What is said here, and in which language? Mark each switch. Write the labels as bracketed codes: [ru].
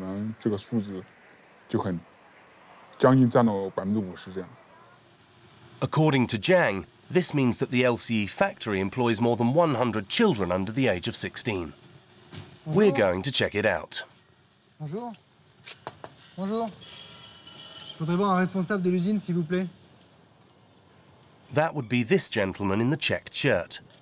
[zh] 一些童工的话，可能这个数字就很。 [en] According to Jiang, this means that the LCE factory employs more than 100 children under the age of 16. Bonjour. We're going to check it out. [fr] Bonjour. Bonjour. Je voudrais voir un responsable de l'usine, s'il vous plaît. [en] That would be this gentleman in the checked shirt.